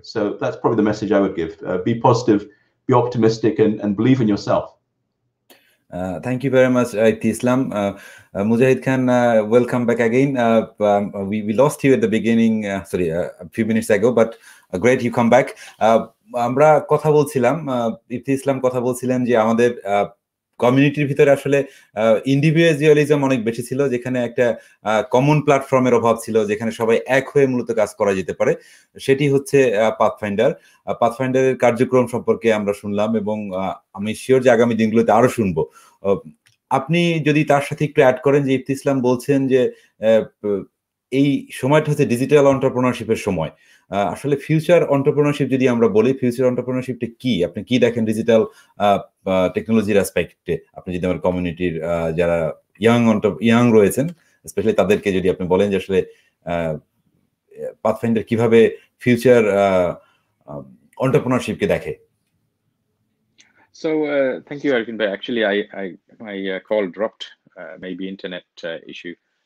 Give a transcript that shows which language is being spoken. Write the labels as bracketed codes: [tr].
[en] So that's probably the message I would give. Be positive, be optimistic, and believe in yourself. Thank you very much, Ifty Islam. Muzahid Khan, welcome back again. We lost you at the beginning, a few minutes ago, but great you come back. [bn] Amra kotha bolchilam, Ifty Islam kotha bolchilam je amader কমিউনিটির ভিতরে আসলে individualism অনেক বেশি ছিল, যেখানে একটা common প্ল্যাটফর্মের অভাব ছিল, যেখানে সবাই এক হয়ে মূলত কাজ করা যেতে পারে, সেটি হচ্ছে পাথফাইন্ডার। পাথফাইন্ডারের কার্যক্রম সম্পর্কে আমরা শুনলাম এবং আমি শিওর যে আগামী দিনগুলোতে আরো শুনবো। আপনি যদি তার সাথে একটু অ্যাড করেন যে ইফতি ইসলাম বলছেন যে এই সময়টা হচ্ছে ডিজিটাল এন্টারপ্রেনারশিপের সময়, আসলে ফিউচার এন্টারপ্রেনারশিপ যদি আমরা বলি, ফিউচার এন্টারপ্রেনারশিপটা কি, আপনি কি দেখেন ডিজিটাল টেকনোলজির অ্যাসপেক্টে? আপনি যদি আমার কমিউনিটির যারা ইয়াং রয়েছেন স্পেশালি তাদেরকে যদি আপনি বলেন যে আসলে পাথফাইন্ডার কিভাবে ফিউচার এন্টারপ্রেনারশিপকে দেখে। [en] So thank you, Arifin bhai. Actually, my call dropped, maybe internet issue.